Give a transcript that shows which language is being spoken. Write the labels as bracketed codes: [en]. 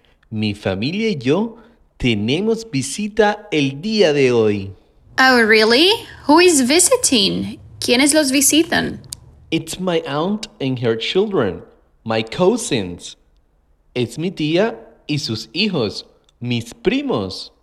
[es] Mi familia y yo tenemos visita el día de hoy. [en] Oh, really? Who is visiting? [es] ¿Quiénes los visitan? [en] It's my aunt and her children, my cousins. [es] Es mi tía y sus hijos, mis primos.